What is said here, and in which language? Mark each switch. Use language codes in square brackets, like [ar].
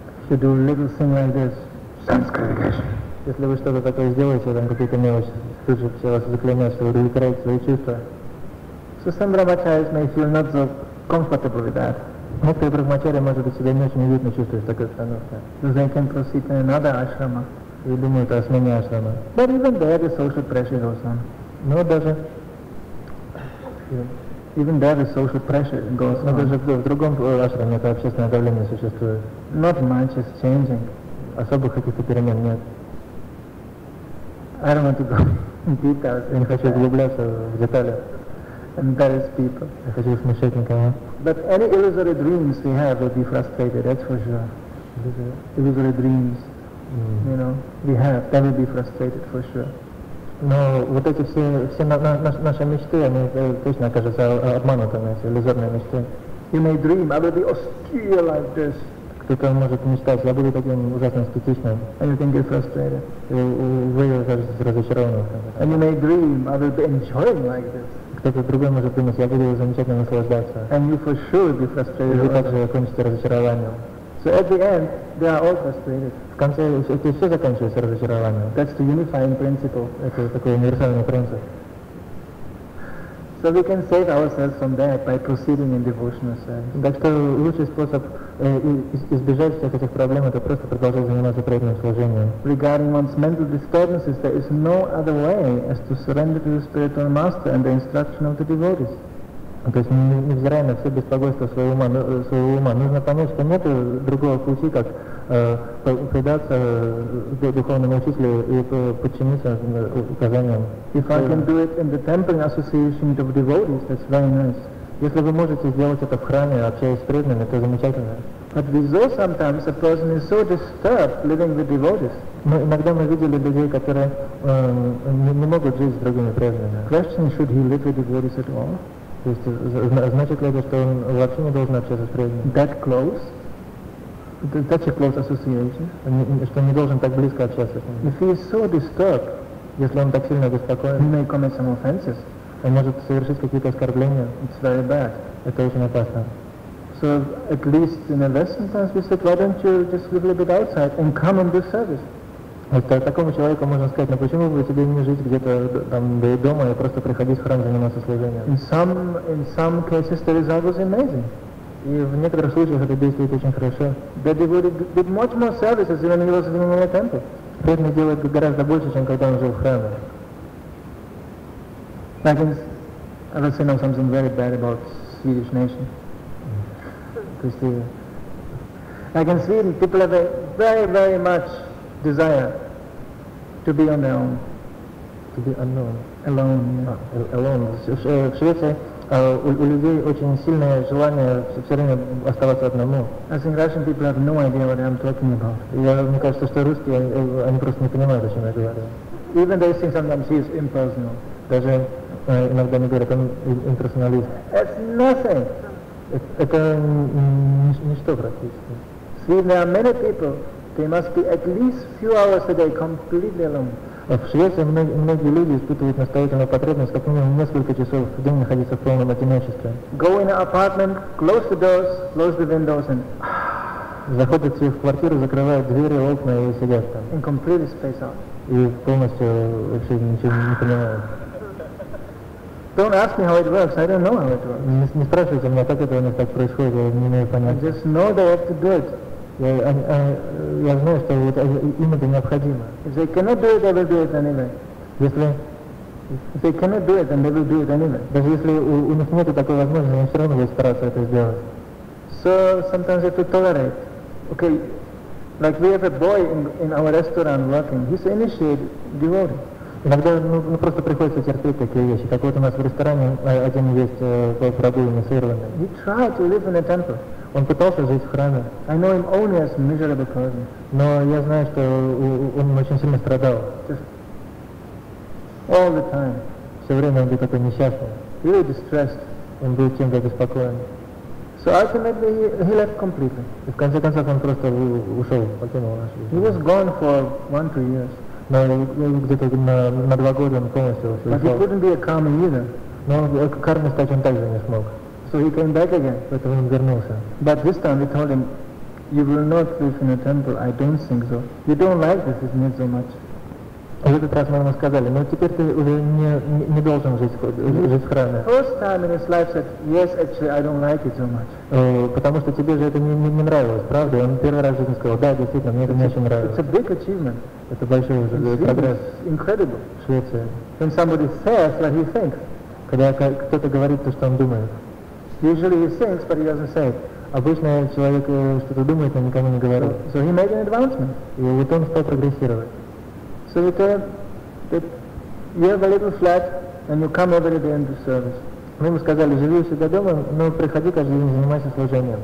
[en] If you do a little thing like this, sounds congregation. [ru] Если вы что-то такое сделаете, там какие-то мелочи, тут же все вас заклинают, что вы удовлетворяете свои чувства. [en] So some brahmacharis may feel not so comfortable with that. [ru] Некоторые брахмачари, может быть, себя не очень уютно чувствуют в такой обстановке. [en] So they can proceed in another ashrama. [ru] И думают о смене ашрама. [en] But even there the social pressure goes on. [ru] Но даже... [en] Even there the social pressure goes on. [ru] Но даже в другом ашраме это общественное давление существует. [en] Not much is changing. [ru] Особых каких-то перемен нет. [en] I don't want to go in details. [ru] Я не хочу углубляться в детали. [en] Embarrass people. [ru] Я хочу смущать никого. [en] But any illusory dreams we have will be frustrated, that's for sure. Illusory dreams. You know, we have, they will be frustrated for sure. [ru] Но вот эти все наши мечты, они точно окажутся обманутыми, эти иллюзорные мечты. [en] You may dream, I will be austere like this. [ru] Кто-то может мечтать, я буду таким ужасно скептичным. [en] And you can get frustrated. [ru] И вы окажетесь разочарованным. [en] And you may dream, I will be enjoying like this. [ru] Кто-то другой может думать, я буду замечательно наслаждаться. [en] And you for sure will be frustrated. [ru] И вы также окончите разочарованием. [en] So at the end, they are all frustrated. [ru] В конце это все заканчивается разочарованием. [en] That's the unifying principle. [ru] Это такой универсальный принцип. [en] So we can save ourselves from that by proceeding in devotional service. [ru] Так что лучший способ избежать всех этих проблем, это просто продолжать заниматься преданным служением. [en] Regarding one's mental disturbances, there is no other way as to surrender to the spiritual master and the instruction of the devotees. [ru] То есть, невзирая на все беспокойство своего ума, нужно понять, что нет другого пути, как предаться духовному учителю и подчиниться указаниям. [en] If I can do it in the temple association of devotees, that's very nice. [ru] Если вы можете сделать это в храме, общаясь с преданными, это замечательно. [en] But we saw sometimes a person is so disturbed living with devotees. [ru] Но иногда мы видели людей, которые не могут жить с другими преданными. [en] Question, should he live with devotees at all? [ru] То есть, значит ли это, что он вообще не должен общаться с преданными? [en] That close? Such a close association? [ru] Что он не должен так близко общаться с ними? [en] If he is so disturbed, [ru] если он так сильно беспокоен, [en] he may commit some offenses. [ru] Он может совершить какие-то оскорбления. [en] It's very bad. [ru] Это очень опасно. [en] So, at least in a lesson class, we said, why don't you just live a little bit outside and come and do service? [ru] Это такому человеку можно сказать, ну почему бы тебе не жить где-то там дома и просто приходить в храм заниматься служением? [en] In some cases the result was amazing. [ru] И в некоторых случаях это действует очень хорошо. [en] The devotee did much more services even when he was in the temple. [ru] Преданный делает гораздо больше, чем когда он жил в храме. [en] Like in ever seen of something very bad about Swedish nation. Like in Sweden, people have a very, very much desire to be on their own. To be unknown. Alone. Yeah. Alone. [ru] В Швеции у людей очень сильное желание все время оставаться одному. [en] I think Russian people have no idea what I'm talking about. [ru] Мне кажется, что русские, они просто не понимают, о чем я говорю. [en] Even they think sometimes he is impersonal. [ru] Даже иногда они говорят, он имперсоналист. [en] It's nothing. [ru] Это ничто практически. [en] Sweden, there are many people, they must be at least few hours a day completely alone. [ru] В Швеции многие люди испытывают настоятельную потребность как минимум несколько часов в день находиться в полном одиночестве. [en] Go in an apartment, close the doors, close the windows and... [ru] Заходят в квартиру, закрывают двери, окна и сидят там. [en] And completely space out. [ru] И полностью вообще ничего не понимают. [en] Don't ask me how it works, I don't know how it works. [ru] Не спрашивайте меня, как это у них так происходит, я не имею понятия. [en] I just know they have to do it. [ru] Я знаю, что вот им это необходимо. [en] If they cannot do it, they will do it anyway. [ru] Даже если у них нет такой возможности, они все равно будут стараться это сделать. [en] So sometimes they have to tolerate. Okay, like we have a boy in our restaurant working, he's initiated devotee. [ru] Иногда просто приходится терпеть такие вещи. Как вот у нас в ресторане один есть пробуйный, сырванный. [en] He tried to live in a temple. [ru] Он пытался жить в храме. [en] I know him only as miserable person. [ru] Но я знаю, что он очень сильно страдал. [en] Just all the time. [ru] Все время он был такой несчастный. [en] He was distressed. [ru] Он был чем-то обеспокоен. [en] So ultimately he left completely. [ru] И в конце концов он просто ушел, покинул нашу жизнь. [en] He was gone for 1-2 years. [ru] Но где-то на 2 года он полностью ушел. [en] But he couldn't be a karma either. [ru] Но карму стать он также не смог. [en] So he came back again. [ru] Поэтому он вернулся. [en] But this time we told him, you will not live in a temple, I don't think so. You don't like this, isn't it, so much? [ru] А в этот раз мы ему сказали, но теперь ты уже не должен жить в храме. [en] First time in his life said, yes, actually, I don't like it so much. [ru] Потому что тебе же это не нравилось, правда? Он первый раз в жизни сказал, да, действительно, мне это не очень нравится. [en] It's a big achievement. [ru] Это большой уже прогресс. [en] Incredible. [ru] В Швеции. [en] When somebody says what he thinks. [ru] Когда кто-то говорит то, что он думает. [en] Usually he thinks, but he doesn't say it. [ru] Обычно человек что-то думает, но никому не говорит. [en] So he made an advancement. [ru] И вот он стал прогрессировать. [en] So we tell him that you have a little flat and you come over at the end of service. [ru] Мы ему сказали, живи у себя дома, но приходи каждый день, занимайся служением.